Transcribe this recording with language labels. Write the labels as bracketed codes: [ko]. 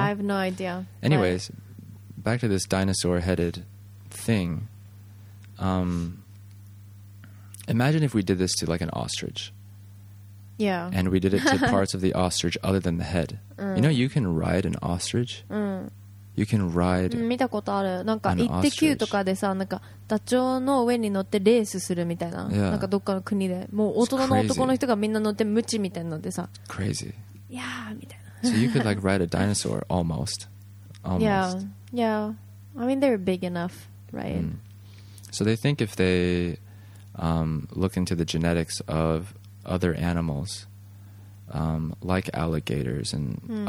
[en] I have no idea. Anyways, back to this dinosaur-headed thing. Imagine if we did this to like an ostrich. Yeah. And we did it to parts of the ostrich other than the head. You know, you can ride an ostrich. Mm. You can ride [ja] 見たことある。なんか行ってきゅうとかでさ、なんかダチョウの上に乗ってレースするみたいな。 [en] Yeah. [ja] なんかどっかの国で、もう大人の男の人がみんな乗ってムチみたいなのでさ。 [en] It's、crazy. Yeah, みたいな。 So you could like ride a dinosaur almost. Almost. Yeah, yeah. I mean they're big enough, right?、Mm. So they think if they look into the genetics of other animals, like alligators and、mm.